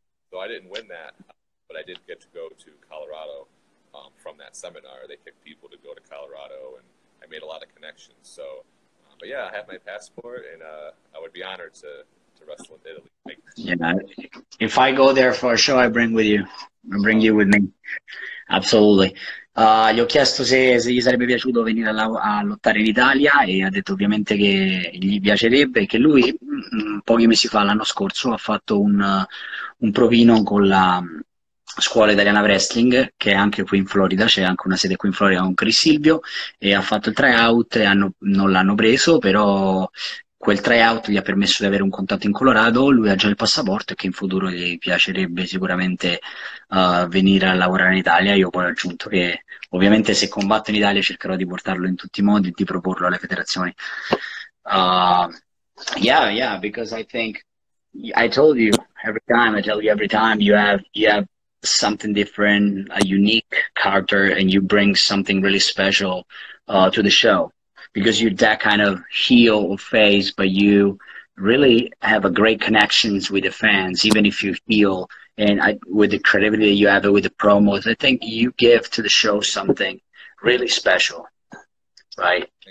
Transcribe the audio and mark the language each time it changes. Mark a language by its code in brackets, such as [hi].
[en] So I didn't win that, but I did get to go to Colorado. From that seminar, they picked people to go to Colorado, and I made a lot of connections. So, but yeah, I have my passport, and I would be honored to wrestle in Italy. Yeah, if I go there for a show, I bring you with me. Absolutely. [it] Gli ho chiesto se gli sarebbe piaciuto venire a lottare in Italia, e ha detto ovviamente che gli piacerebbe, che lui pochi mesi fa, l'anno scorso, ha fatto un provino con la Scuola Italiana Wrestling, che è anche qui in Florida, c'è anche una sede qui in Florida con Chris Silvio, e ha fatto il tryout e non l'hanno preso, però quel tryout gli ha permesso di avere un contatto in Colorado, lui ha già il passaporto, e che in futuro gli piacerebbe sicuramente venire a lavorare in Italia. Io poi ho aggiunto che ovviamente se combatto in Italia cercherò di portarlo in tutti i modi, di proporlo alle federazioni. [en] Yeah, because I think I told you every time you have something different, a unique character, and you bring something really special to the show, because you're that kind of heel or face, but you really have a great connections with the fans, even if you heel, and with the credibility that you have with the promos, I think you give to the show something really special, right?